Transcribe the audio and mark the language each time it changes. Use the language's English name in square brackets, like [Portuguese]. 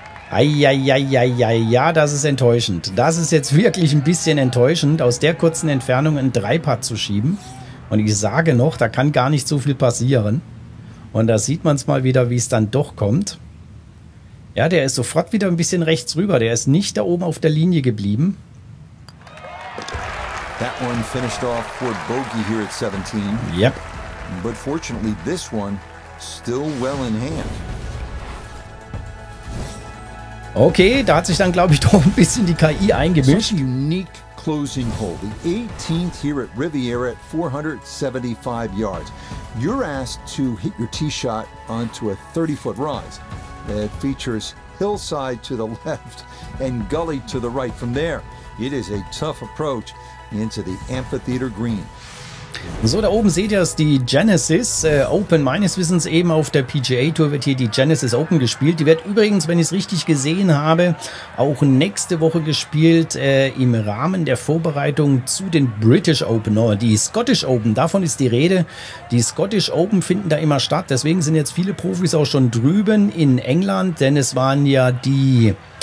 [German] Eieieiei, ja, das ist enttäuschend. Das ist jetzt wirklich ein bisschen enttäuschend, aus der kurzen Entfernung einen Dreipad zu schieben. Und ich sage noch, da kann gar nicht so viel passieren. Und da sieht man es mal wieder, wie es dann doch kommt. Ja, der ist sofort wieder ein bisschen rechts rüber. Der ist nicht da oben auf der Linie geblieben. [English] That one finished off for bogey here at 17. Yep. But fortunately, this one still well in hand. [German] Okay, da hat sich dann, glaube ich, doch ein bisschen die KI eingemischt. [English] Such a unique closing hole, the 18th here at Riviera at 475 yards. You're asked to hit your tee shot onto a 30-foot rise that features hillside to the left and gully to the right. From there, it is a tough approach into the amphitheater green. [German] So, da oben seht ihr es, die Genesis Open, meines Wissens eben auf der PGA Tour wird hier die Genesis Open gespielt. Die wird übrigens, wenn ich es richtig gesehen habe, auch nächste Woche gespielt im Rahmen der Vorbereitung zu den British Open. Oh, die Scottish Open, davon ist die Rede. Die Scottish Open finden da immer statt, deswegen sind jetzt viele Profis auch schon drüben in England, denn es waren ja die...